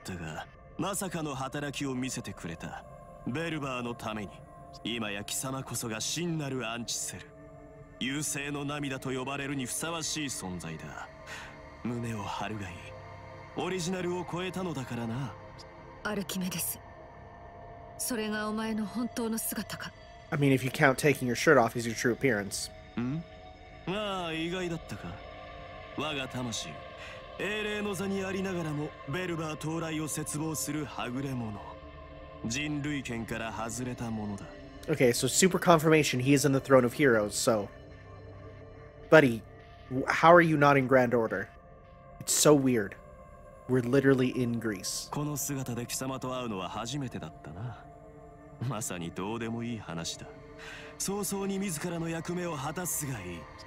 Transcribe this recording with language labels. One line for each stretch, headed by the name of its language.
Japanese: 見事見事。図体ばかりのあちらと違って、お前は正しく優勢の先兵として稼働してみせた。セファールのアバターよ。貴様は半端な存在ではあったが、まさかの働きを見せてくれた。ベルバーのために、今や貴様こそが真なるアンチセル、優勢の涙と呼ばれるにふさわしい存在だ。胸を張るがいい。オリジナルを超えたのだからな。アルキメデス。それがお前の本当の姿か。
English: I mean, if you count taking your shirt off as your true appearance.
Japanese: ああ、意外だったか。我が魂、英霊の座にありながらもベルバー到来を切望するはぐれ者。
English: Okay, so super confirmation, he is in the Throne of Heroes, so... Buddy, how are you not in Grand Order? It's so weird. We're literally in Greece.
Japanese: この姿で貴様と会うのは初めてだったな。まさにどうでもいい話だ。早々に自らの役目を果たすがいい。